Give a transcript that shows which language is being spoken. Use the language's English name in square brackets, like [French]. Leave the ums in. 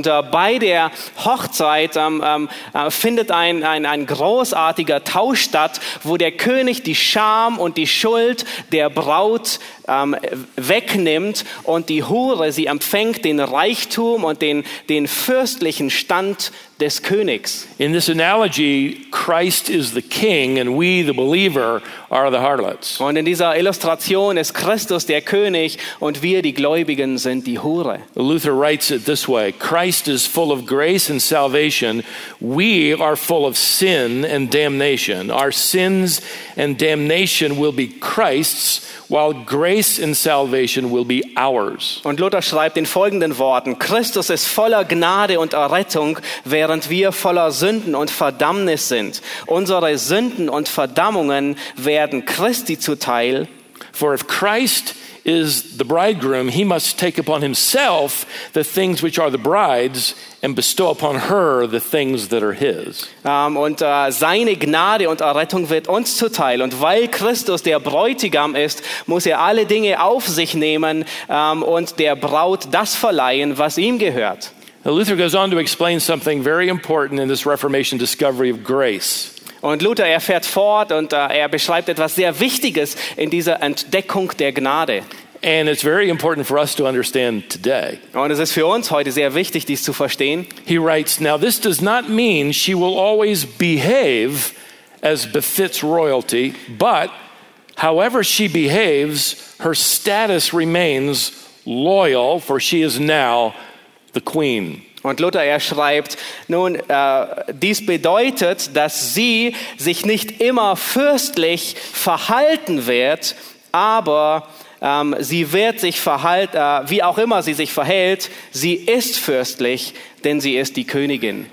[German] bei der Hochzeit um, um, findet ein, ein, ein großartiger Tausch statt, wo der König die Scham und die Schuld der Braut ähm, um, wegnimmt und die Hure, sie empfängt den Reichtum und den, den, fürstlichen Stand des Königs. [English] In this analogy, Christ is the king and we, the believer, are the harlots. And in this [German] Illustration ist Christus der König und wir, die Gläubigen, sind die Hure. [English] Luther writes it this way, Christ is full of grace and salvation, we are full of sin and damnation. Our sins and damnation will be Christ's While grace and salvation will be ours. [German] Und Luther schreibt in folgenden Worten: Christus ist voller Gnade und Errettung, während wir voller Sünden und Verdammnis sind. Unsere Sünden und Verdammungen werden Christi zuteil. [English] For Christ is the bridegroom, he must take upon himself the things which are the bride's and bestow upon her the things that are his. [German] Um, und uh, seine Gnade und Errettung wird uns zuteil. Und weil Christus der Bräutigam ist, muss er alle Dinge auf sich nehmen um, und der Braut das verleihen, was ihm gehört. [English] Now Luther goes on to explain something very important in this Reformation discovery of grace. [German] Und Luther, er fährt fort und uh, er beschreibt etwas sehr Wichtiges in dieser Entdeckung der Gnade. [English] And it's very important for us to understand today. [German] Und es ist für uns heute sehr wichtig, dies zu verstehen. [English] He writes, now this does not mean she will always behave as befits royalty, but however she behaves, her status remains loyal, for she is now the queen. [German] Und Luther, er schreibt, nun, uh, dies bedeutet, dass sie sich nicht immer fürstlich verhalten wird, aber um, sie wird sich verhalten, uh, wie auch immer sie sich verhält, sie ist fürstlich, denn sie ist die Königin.